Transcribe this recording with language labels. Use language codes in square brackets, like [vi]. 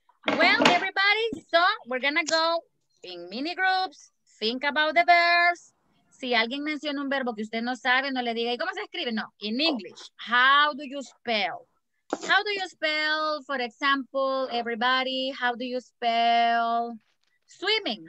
[en] Well, everybody, so we're going to go in mini groups, think about the verbs. [es] Si alguien menciona un verbo que usted no sabe, no le diga, ¿y cómo se escribe? [en] No, in English. How do you spell? How do you spell, for example, everybody, how do you spell swimming?